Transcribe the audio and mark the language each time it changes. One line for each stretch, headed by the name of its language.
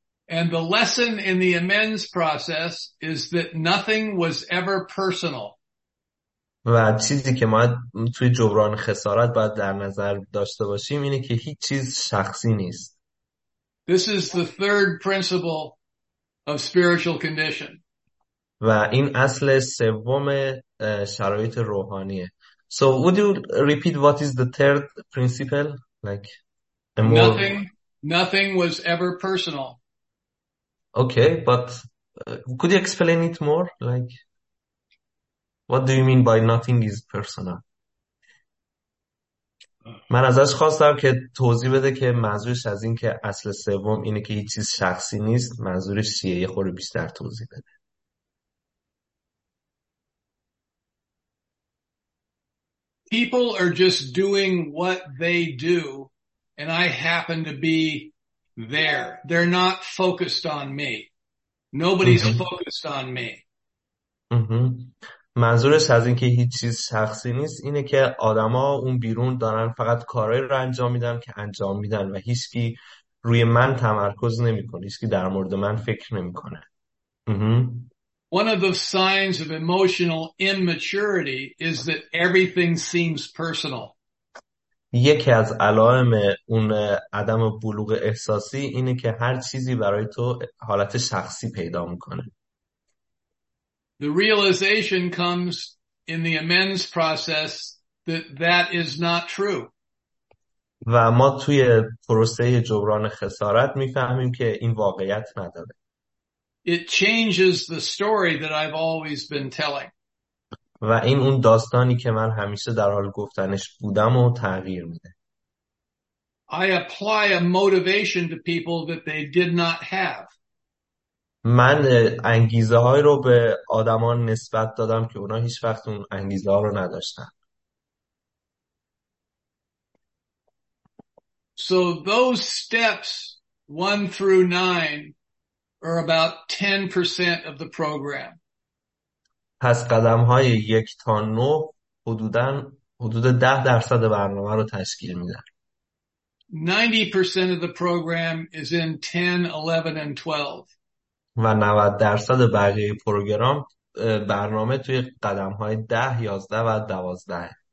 English: And the lesson in the amends process is that nothing was ever personal.
Persian: و چیزی که ما توی جبران خسارت باید در نظر داشته باشیم اینه که هیچ چیز شخصی نیست.
English: This is the third principle of spiritual condition.
Persian: و این اصل سوم شرایط روحانیه.
English: So would you repeat what is the third principle? Like more... Nothing was ever personal. Okay, but could you explain it more? Like, what do you mean by nothing is personal?
Persian: من ازش خواستم که توضیح بده که منظورش از این که اصل سوم اینه که هیچ چیز شخصی نیست، منظورش چیه؟ یه خورده بیشتر توضیح بده.
English: People are just doing what they do, and I happen to be there. They're not focused on me. Nobody's focused on me.
Persian: منظورش از این که هیچ چیز شخصی نیست اینه که آدما اون بیرون دارن فقط کارهایی رو انجام میدن که انجام میدن و هیچکی روی من تمرکز نمیکنه. هیچکی در مورد من فکر نمیکنه.
English: One of the signs of emotional immaturity is that everything seems personal.
Persian: یکی از علائم اون عدم بلوغ احساسی اینه که هر چیزی برای تو حالت شخصی پیدا میکنه.
English: The realization comes in the amends process that that is not true.
Persian: و ما توی پروسه جبران خسارت میفهمیم که این واقعیت نداره.
English: It changes the story that I've always been telling.
Persian: و این اون داستانی که من همیشه در حال گفتنش بودم و تغییر میده.
English: I apply a motivation to people that they did not have.
Persian: من انگیزه های رو به آدمان نسبت دادم که اونا هیچ وقت اون انگیزه ها رو نداشتن.
English: So those steps 1 through 9 are about 10% of the program.
Persian: پس قدم های 1 تا 9 حدود 10% برنامه رو تشکیل میدن.
English: 90% of the program is in 10, 11, and 12.
Persian: و 90% بقیه پروگرام برنامه توی قدم های 10, 11 و 12.